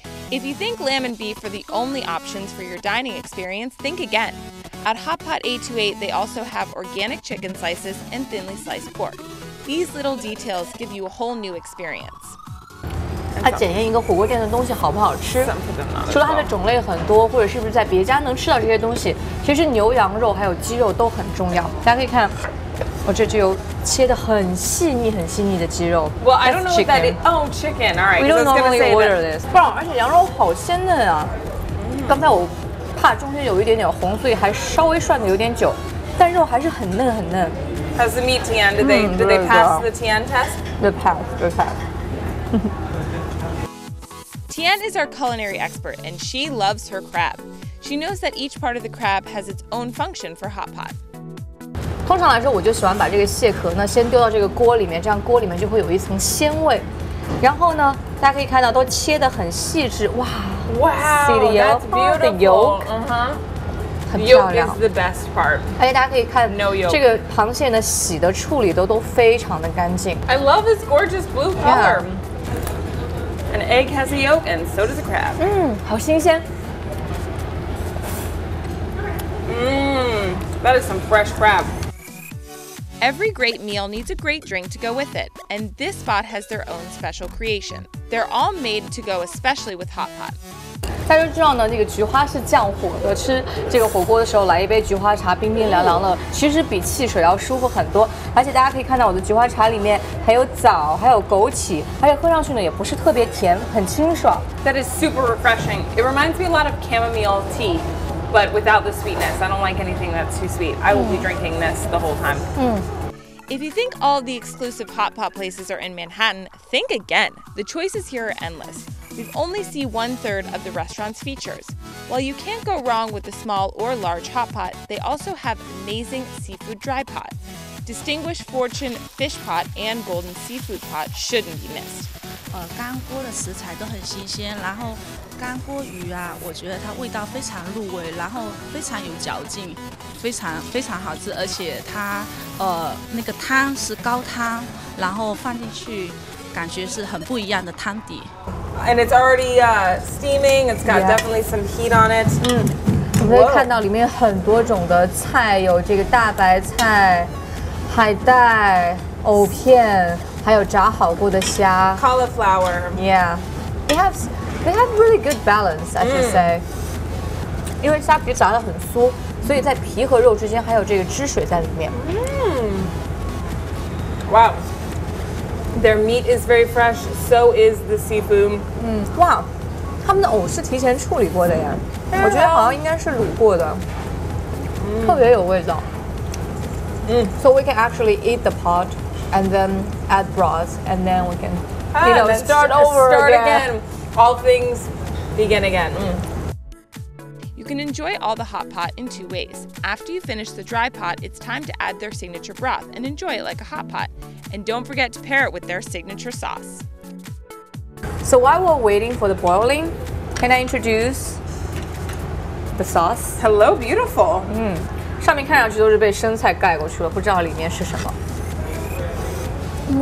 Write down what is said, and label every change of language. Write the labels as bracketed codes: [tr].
[en] If you think lamb and beef are the only options for your dining experience, think again. At HOTPOT 828, they also have organic chicken slices and thinly sliced pork. These little details give you a whole new experience. [zh] 它检验一个火锅店的东西好不好吃，除了它的种类很多，或者是不是在别家能吃到这些东西，其实牛羊肉还有鸡肉都很重要。大家可以看，我这就有切得很细腻、很细腻的鸡肉。 [en] Well, I don't know what that is. Oh, chicken. All right. We don't normally order this. [zh] 不然，而且羊肉好鲜嫩啊！刚才我怕中间有一点点红，所以还稍微涮得有点久，但肉还是很嫩很嫩。 [en] How's the meat, Tian? Did they pass the Tian test? They passed. They passed. Tian is our culinary expert, and she loves her crab. She knows that each part of the crab has its own function for hot pot. [zh] 通常来说，我就喜欢把这个蟹壳呢先丢到这个锅里面，这样锅里面就会有一层鲜味。然后呢，大家可以看到都切得很细致，哇！ [en] Wow, that's beautiful. [zh] 的油，嗯哼，很漂亮。 [en] Yolk is the best part. [zh] 而且大家可以看， [en] no yolk. [zh] 这个螃蟹呢洗的处理都非常的干净。 [en] I love this gorgeous blue color. Yeah. An egg has a yolk, and so does a crab. [zh] Mmm, 好新鲜。 [en] Mmm, that is some fresh crab. Every great meal needs a great drink to go with it, and this spot has their own special creation. They're all made to go especially with hot pot. [zh] 大家都知道呢，这个菊花是降火的，吃这个火锅的时候来一杯菊花茶，冰冰凉凉的，其实比汽水要舒服很多。而且大家可以看到我的菊花茶里面还有枣，还有枸杞，而且喝上去呢也不是特别甜，很清爽。 [en] That is super refreshing. It reminds me a lot of chamomile tea, but without the sweetness. I don't like anything that's too sweet. I will be drinking this the whole time. If you think all the exclusive hot pot places are in Manhattan, think again. The choices here are endless. We've only seen 1/3 of the restaurant's features. While you can't go wrong with the small or large hot pot, they also have amazing seafood dry pot. Distinguished fortune fish pot and golden seafood pot shouldn't be missed. [zh] 干锅的食材都很新鲜，然后干锅鱼啊，我觉得它味道非常入味，然后非常有嚼劲，非常非常好吃，而且它那个汤是高汤，然后放进去感觉是很不一样的汤底。 [en] And it's already steaming. It's got definitely some heat on it. [zh] 嗯，我们可以看到里面很多种的菜，有这个大白菜、海带、藕片，还有炸好过的虾。 [en] Cauliflower. Yeah, they have really good balance, I should say. [zh] 因为虾皮炸得很酥，所以在皮和肉之间还有这个汁水在里面。 [en] 嗯 ，Wow. Their meat is very fresh, so is the seafood. Wow, [zh] 他们的藕是提前处理过的呀，我觉得好像应该是卤过的，特别有味道。 [en] So we can actually eat the pot and then add broth and then we can start again. All things begin again. You can enjoy all the hot pot in two ways. After you finish the dry pot, it's time to add their signature broth and enjoy it like a hot pot. And don't forget to pair it with their signature sauce. So while we're waiting for the boiling, can I introduce the sauce? Hello, beautiful. [zh] 上面看上去都是被生菜盖过去了，不知道里面是什么。